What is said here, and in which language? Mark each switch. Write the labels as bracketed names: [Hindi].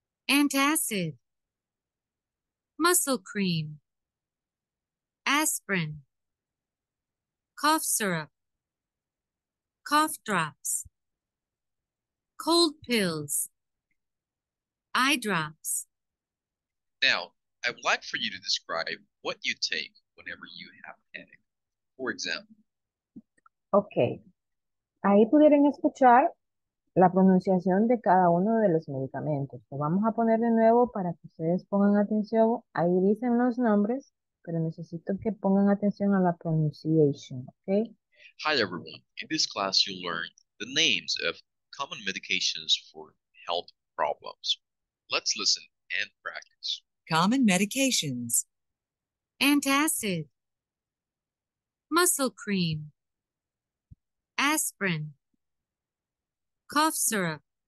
[English] Antacid. Muscle cream. Aspirin. Cough syrup. Cough drops. Cold pills. Eye drops. Now, I would like for you to describe what you take whenever you have a headache. For example. Okay. [Spanish] Ahí pudieron escuchar la pronunciación de cada uno de los medicamentos. Lo vamos a poner de nuevo para que ustedes pongan atención. Ahí dicen los nombres, pero necesito que pongan atención a la pronunciation, okay? [English] Hi everyone. In this class you'll learn the names of common medications for health problems. Let's listen and practice. Common medications. Antacid. Muscle cream. Aspirin. Cough syrup.